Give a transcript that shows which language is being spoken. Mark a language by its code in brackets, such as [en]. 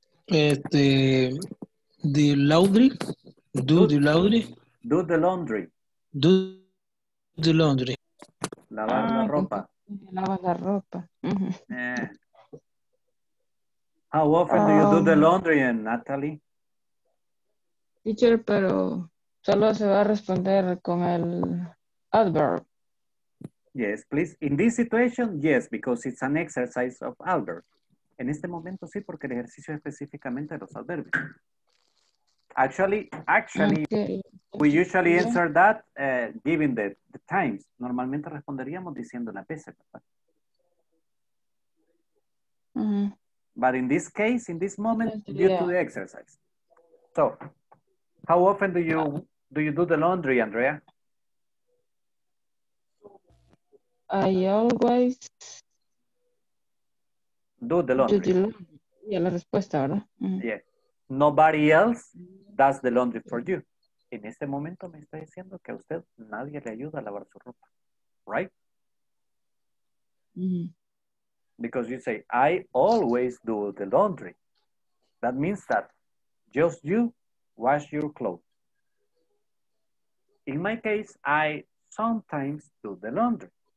[en] The laundry. Do the laundry. Do the laundry. Do the laundry. [es] Lavar la ropa. Lava la ropa. Mm-hmm. [en] How often do you do the laundry, Natalie? [es] Teacher, pero solo se va a responder con el adverb. [en] Yes, please. In this situation, yes, because it's an exercise of adverb. [es] En este momento, sí, porque el ejercicio es específicamente de los adverbios. [en] Actually, okay. We usually answer that given the times. [es] Normalmente responderíamos diciendo la PC. Mm-hmm. [en] But in this case, in this moment, due to the exercise. So, how often do you do the laundry, Andrea? I always do the laundry. [es] Yeah, la respuesta, ¿verdad? [en] Mm-hmm. Yeah. Nobody else does the laundry for you. [es] En este momento me está diciendo que a usted nadie le ayuda a lavar su ropa. [en] Right? Mm-hmm. Because you say, I always do the laundry. That means that just you wash your clothes. In my case, I sometimes do the laundry.